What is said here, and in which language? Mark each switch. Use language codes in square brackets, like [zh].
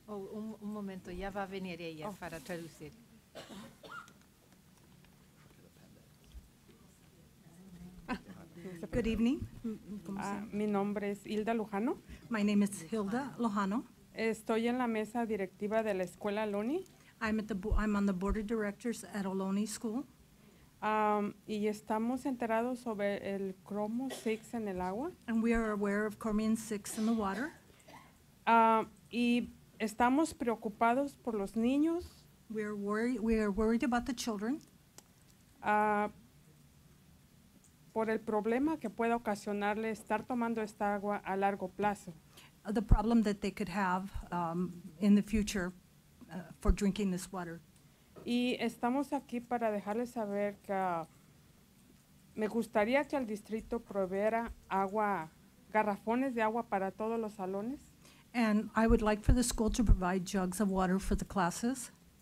[es] Oh, un momento, ya va a venir ella para traducir. [en] Good evening. [es] Mi nombre es Hilda Lujano. [en] My name is Hilda Lujano. [es] Estoy en la mesa directiva de la escuela Loni. [en] I'm on the board of directors at Ohlone School. [es] Y estamos enterados sobre el cromo 6 en el agua. [en] And we are aware of chromium 6 in the water. [es] Y estamos preocupados por los niños. [en] We are worried about the children. [es] Por el problema que pueda ocasionarle estar tomando esta agua a largo plazo. [en] The problem that they could have in the future for drinking this water. [es] Y estamos aquí para dejarles saber que me gustaría que el distrito proveera agua, garrafones de agua para todos los salones. [en] And I would like for the school to provide jugs of water for the classes.